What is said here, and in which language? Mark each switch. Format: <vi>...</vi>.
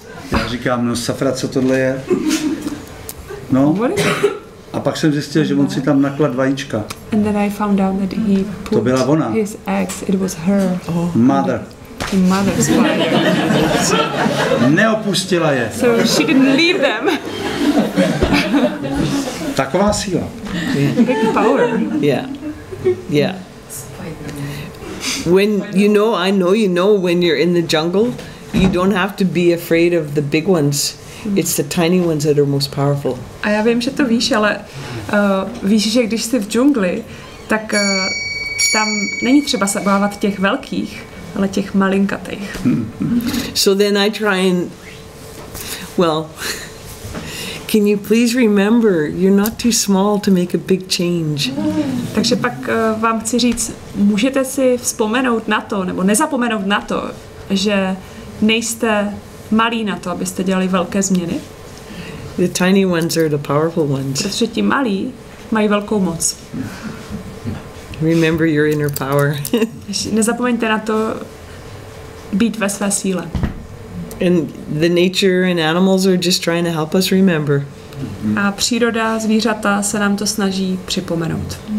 <cs>Já říkám, no safra, co tohle je? No. A pak jsem zjistil, že on si tam naklad vajíčka.</cs> <en>And then I found out that he put</en> <cs>to byla ona.</cs> <en>His eggs. It was her. Mother. The mother's spider.</en> <cs>Neopustila je.</cs> <en>So she didn't leave them.</en> <cs>Taková síla.</cs> <en>Big power. Yeah. Yeah. When you know when you're in the jungle, you don't have to be afraid of the big ones. It's the tiny ones that are most powerful.</en> <cs>A já vím, že to víš, ale víš, že když jsi v džungli, tak tam není třeba se bávat těch velkých, ale těch malinkatých.</cs> <en>So then I try and, well, can you please remember, you're not too small to make a big change.</en> <cs>Takže pak vám chci říct, můžete si vzpomenout na to, nebo nezapomenout na to, že nejste malí na to, abyste dělali velké změny.</cs> <en>The tiny ones are the powerful ones.</en> <cs>Protože ti malí mají velkou moc.</cs> <en>Remember your inner power.</en> <cs>Nezapomeňte na to být ve své síle.</cs> <en>And the nature and animals are just trying to help us remember.</en> <cs>A příroda, zvířata se nám to snaží připomenout.</cs>